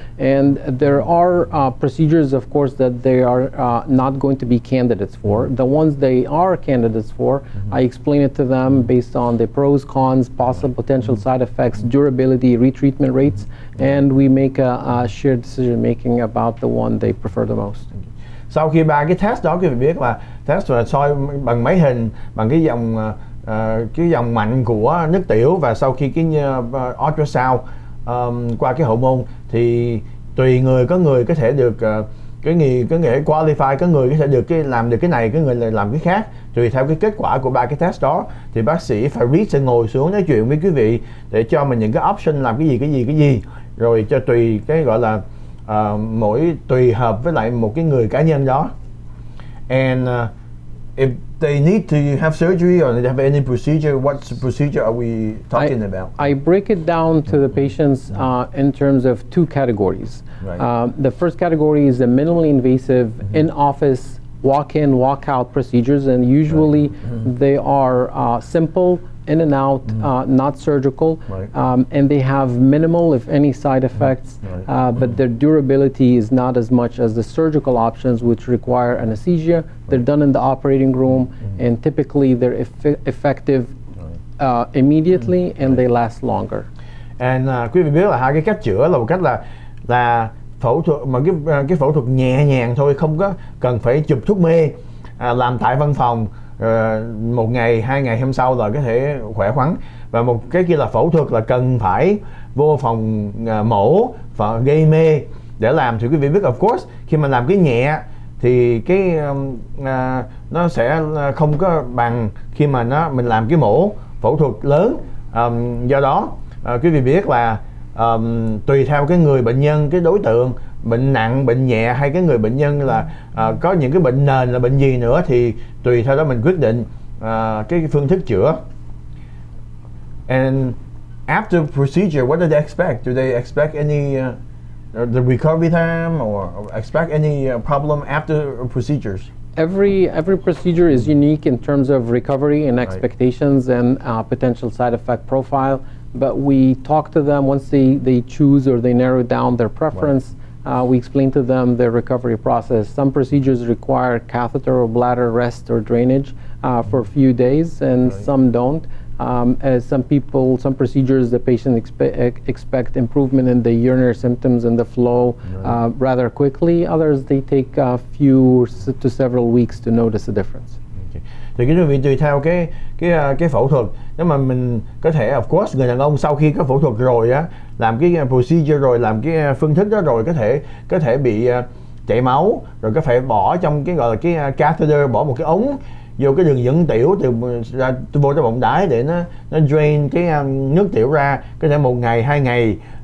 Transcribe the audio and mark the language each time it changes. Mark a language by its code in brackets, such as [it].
[en] And there are procedures, of course, that they are not going to be candidates for. The ones they are candidates for, I explain it to them based on the pros, cons, possible potential side effects, durability, retreatment rates, and we make a shared decision making about the one they prefer the most. [vi] Sau khi ba cái test đó, quý vị biết là test là soi bằng máy hình, bằng cái dòng mạnh của nước tiểu, và sau khi cái ultrasound qua cái hậu môn, thì tùy người, có người có thể được cái nghề qualify, có người có thể được cái làm được cái này, có người làm cái khác, tùy theo cái kết quả của ba cái test đó, thì bác sĩ Farid sẽ ngồi xuống nói chuyện với quý vị để cho mình những cái option làm cái gì, rồi cho tùy cái gọi là mỗi tùy hợp với lại một cái người cá nhân đó. [en] And if they need to have surgery or they have any procedure, what procedure are we talking about? I break it down to the patients in terms of two categories. The first category is the minimally invasive in-office walk-in, walk-out procedures, and usually they are simple, in and out, not surgical, and they have minimal, if any, side effects, but their durability is not as much as the surgical options, which require anesthesia. They're done in the operating room, and typically they're effective immediately, and they last longer. [vi] And quý vị biết là hai cái cách chữa là một cách là phẫu thuật, mà cái phẫu thuật nhẹ nhàng thôi, không có cần phải chụp thuốc mê, làm tại văn phòng. Một ngày, hai ngày hôm sau là có thể khỏe khoắn. Và một cái kia là phẫu thuật, là cần phải vô phòng mổ và gây mê để làm. Thì quý vị biết, [en] of course, [vi] khi mà làm cái nhẹ thì cái nó sẽ không có bằng khi mà nó mình làm cái mổ phẫu thuật lớn. Do đó quý vị biết là tùy theo cái người bệnh nhân, cái đối tượng bệnh nặng, bệnh nhẹ, hay cái người bệnh nhân là có những cái bệnh nền là bệnh gì nữa, thì tùy theo đó mình quyết định cái phương thức chữa. [en] And after procedure, what do they expect? Do they expect any the recovery time, or expect any problem after procedures? Every procedure is unique in terms of recovery and expectations, right, and potential side effect profile. But we talk to them once they choose or they narrow down their preference. Right. We explain to them the recovery process. Some procedures require catheter or bladder rest or drainage for a few days, and some don't. As some procedures, the patient expect improvement in the urinary symptoms and the flow rather quickly. Others, they take a few to several weeks to notice a difference. [vi] thì cái vị tùy theo cái phẫu thuật. Nếu mà mình có thể, [en] of course, [vi] người đàn ông sau khi có phẫu thuật rồi á, làm cái procedure rồi, làm cái phương thức đó rồi, có thể bị chảy máu, rồi có phải bỏ trong cái gọi là cái catheter, bỏ một cái ống vô cái đường dẫn tiểu từ vô trong bụng đái để nó drain cái nước tiểu ra, có thể một ngày hai ngày.